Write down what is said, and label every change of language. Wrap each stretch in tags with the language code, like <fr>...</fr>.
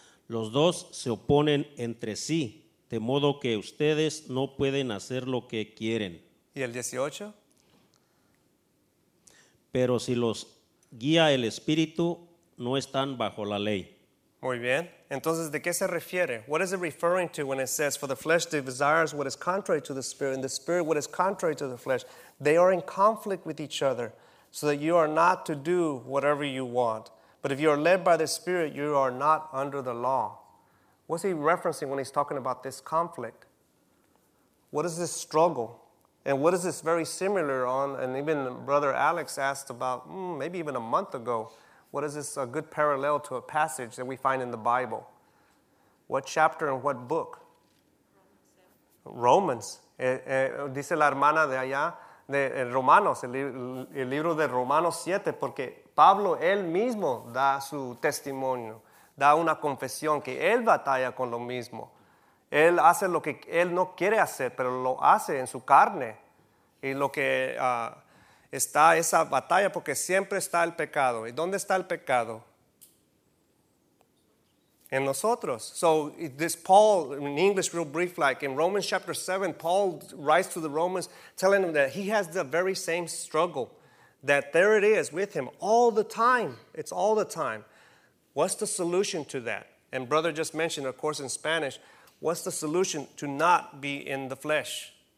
<es>Los dos se oponen entre sí, de modo que ustedes no pueden hacer lo que quieren. ¿Y el 18? Pero si los guía el Espíritu, no están bajo la ley. Muy bien. Entonces, ¿de qué se refiere?</es> <en>What is it referring to when it says, for the flesh desires what is contrary to the Spirit, and the Spirit what is contrary to the flesh? They are in conflict with each other, so that you are not to do whatever you want. But if you are led by the Spirit, you are not under the law. What's he referencing when he's talking about this conflict? What is this struggle? And what is this very similar on? And even Brother Alex asked about, maybe even a month ago, what is this a good parallel to a passage that we find in the Bible? What chapter and what book? Romans.</en> <es>Dice la hermana de allá, de Romanos, el libro de Romanos 7, porque Pablo, él mismo da su testimonio, da una confesión que él batalla con lo mismo. Él hace lo que él no quiere hacer, pero lo hace en su carne. Y lo que está esa batalla, porque siempre está el pecado. ¿Y dónde está el pecado? En nosotros.</es> <en>So this Paul, in English real brief, like in Romans chapter 7, Paul writes to the Romans telling them that he has the very same struggle, that there it is with him all the time. It's all the time. What's the solution to that? And brother just mentioned, of course, in Spanish, what's the solution to not be in the flesh?</en>